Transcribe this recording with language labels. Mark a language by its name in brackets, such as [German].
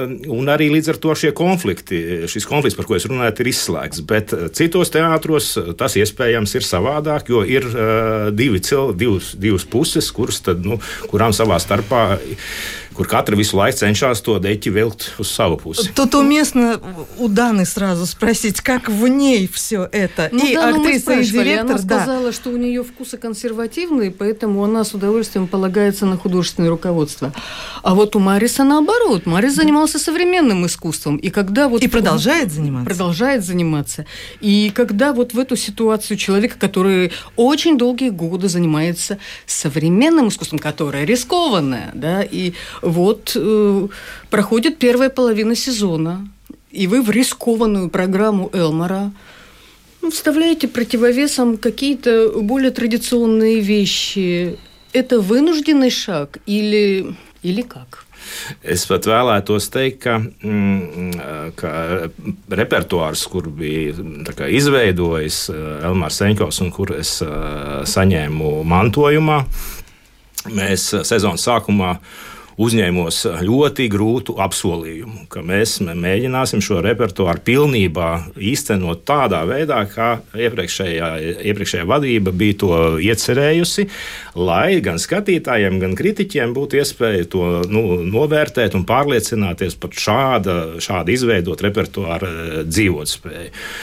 [Latvian] Un arī līdz ar to šie konflikti, šis konflikts, par ko es runāju, ir izslēgts, bet citos teātros tas iespējams ir savādāk, jo ir divas puses, kuras tad, nu, kurām savā starpā, kur katra visu laiku cenšas to deķi vilkt uz savu pusi. [Russian] Тут уместно у Даны сразу спросить, как в ней всё это. Ну, и да, актриса, и директор, она сказала, что у неё вкусы консервативные, поэтому она с удовольствием полагается на художественное руководство. А вот у Мариса наоборот. Марис занимался современным искусством, и когда вот и продолжает заниматься. Продолжает заниматься. И когда вот в эту ситуацию человека, который очень долгие годы занимается современным искусством, которое рискованное, да, и вот проходит первая половина сезона, и вы в рискованную программу Элмара вставляете противовесом какие-то более традиционные вещи. Это вынужденный шаг или как? [Latvian] Es pat vēlētos teikt, ka repertuārs, kur bija tā kā izveidojis Elmārs Seņkovs un kur es saņēmu mantojumā, mēs sezonas sākumā uzņēmos ļoti grūtu apsolījumu, ka mēs mēģināsim šo repertuāru pilnībā īstenot tādā veidā, kā iepriekšējā vadība bija to iecerējusi, lai gan skatītājiem, gan kritiķiem būtu iespēja to novērtēt un pārliecināties par šādu izveidot repertuāru dzīvotspēju.